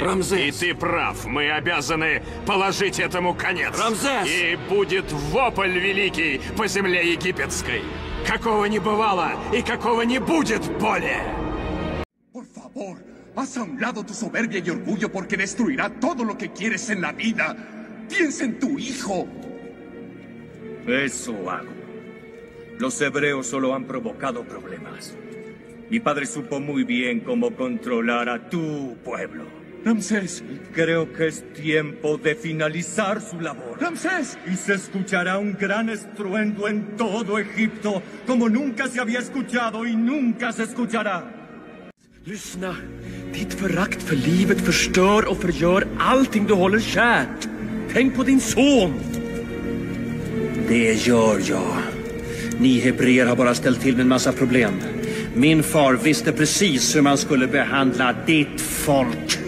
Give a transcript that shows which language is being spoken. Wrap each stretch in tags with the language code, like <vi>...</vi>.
<ru>Рамзес! И ты прав, мы обязаны положить этому конец. Рамзес! И будет вопль великий по земле египетской. Какого не бывало и какого не будет более.</ru> <es>Por favor, haz a un lado tu soberbia y orgullo porque destruirá todo lo que quieres en la vida. Piensa en tu hijo. Eso hago. Los hebreos solo han provocado problemas. Mi padre supo muy bien cómo controlar a tu pueblo. Ramsés. Creo que es tiempo de finalizar su labor. Ramsés. Y se escuchará un gran estruendo en todo Egipto, como nunca se había escuchado y nunca se escuchará.</es> <sv>Lyssna. Ditt förakt för livet förstör och förgör allting du håller kärt. Tänk på din son. Det gör jag. Ni hebreer har bara ställt till med en massa problem. Min far visste precis hur man skulle behandla ditt folk.</sv>